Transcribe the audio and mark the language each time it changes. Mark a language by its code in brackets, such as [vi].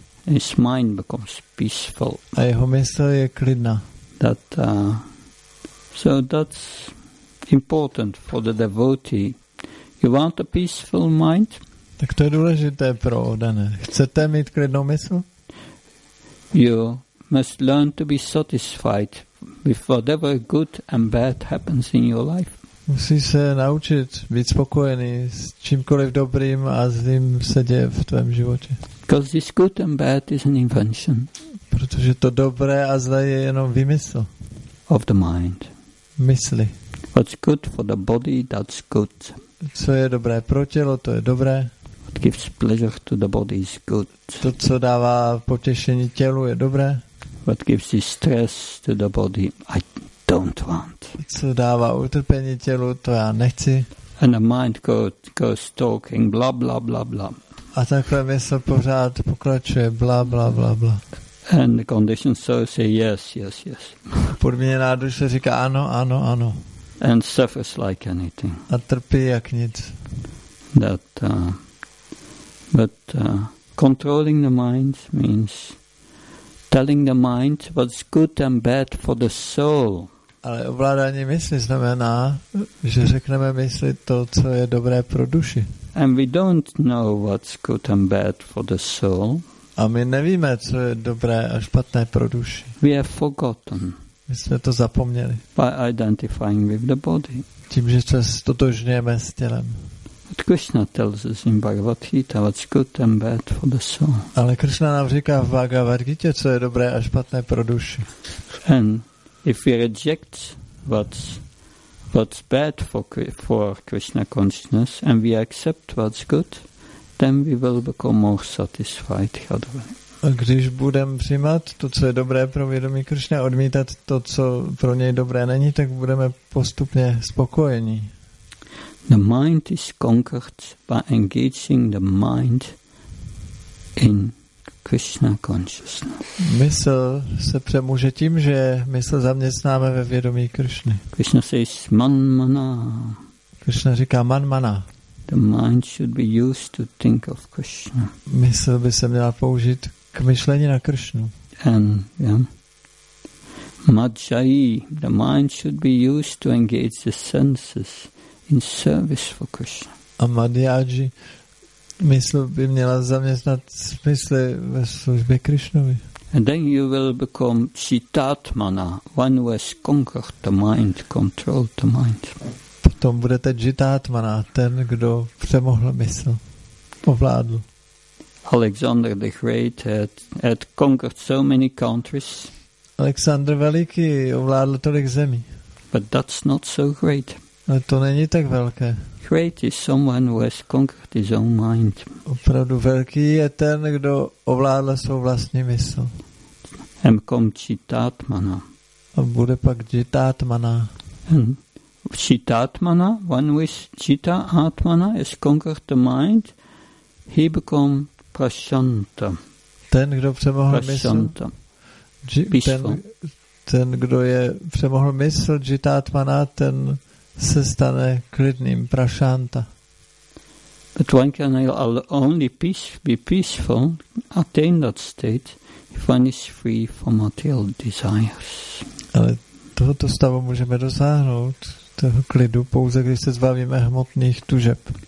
[en] His mind becomes peaceful. [cs] A jeho mysl je klidná. [en] So that's important for the devotee. You want a peaceful mind? [cs] Tak to je důležité pro oddané. Chcete mít klidnou mysl? [en] You must learn to be satisfied with whatever good and bad happens in your life. [cs] Musí se naučit být spokojený s čímkoliv dobrým a zlým se děje v tvém životě. [en] Because this good and bad is an invention. [cs] Protože to dobré a zlé je jenom výmysl. [en] Of the mind. [cs] Mysli. [en] What's good for the body, that's good. [cs] Co je dobré pro tělo, to je dobré. [en] What gives pleasure to the body is good. [cs] To, co dává potěšení tělu, je dobré. [en] What gives you stress to the body, I don't want. [cs] Co dává utrpení tělu, to já nechci. [en] And the mind goes talking, blah, blah, blah, blah. [cs] A takhle mysl pořád pokračuje, blah, blah, blah, blah. [en] And the conditioned soul say yes, yes, yes. [cs] Podmíněná duše říká ano, ano, ano. [en] And suffers like anything. [cs] A trpí jak nic. [en] That, but controlling the mind means telling the mind what's good and bad for the soul. [cs] Ale ovládání mysli znamená, že řekneme mysli to, co je dobré pro duši. [en] And we don't know what's good and bad for the soul. [cs] A my nevíme, co je dobré a špatné pro duši. [en] We have forgotten. [cs] My jsme to zapomněli. [en] By identifying with the body. [cs] Tím, že se totožňujeme s tělem. [en] But Krishna tells us in Bhagavad Gita what's good and bad for the soul. [cs] Ale Krishna nám říká v Bhagavad Gita, co je dobré a špatné pro duši. [en] And if we reject what's bad for Krishna consciousness and we accept what's good, then we will become more satisfied. [cs] A když budeme přijímat to, co je dobré pro vědomí Krishna, odmítat to, co pro něj dobré není, tak budeme postupně spokojení. [en] The mind is conquered by engaging the mind in Krishna consciousness. [cs] Mysl se přemůže tím, že mysl zaměstnáme ve vědomí Krishny. [en] Krishna says manmana. [cs] Krishna říká manmana. [en] The mind should be used to think of Krishna. [cs] Mysl by se měla použít k myšlení na Krishnu. [en] And yeah. Majjayi, the mind should be used to engage the senses in service for Krishna. [cs] A madhyaji, mysl by měla zaměstnat smysly ve službě Krishnovi. [en] And then you will become chitatmana, one who has conquered the mind, controlled the mind. [cs] Potom budete jitátmana, ten, kdo přemohl mysl, ovládl. [en] Alexander the Great had conquered so many countries. [cs] Alexander Veliký ovládl tolik zemí. [en] But that's not so great. [cs] Ale to není tak velké. [en] Great is someone who has conquered his own mind. [cs] Opravdu velký je ten, kdo ovládl svou vlastní mysl. [en] And become jitátmana. [cs] A bude pak jitátmana. Hmm. [en] Chitatmana, one with chitta atmana has conquered the mind, he become prashanta. [cs] Ten, kdo přemohl [sa] prashanta. [cs] Mysl, ten, kdo je přemohl mysl chitatmana, ten se stane klidným, prashanta. [en] But one can only be peaceful, attain that state, if one is free from material desires. [cs] Ale tohoto stavu můžeme dosáhnout toho klidu, pouze když se zbavíme hmotných tužeb.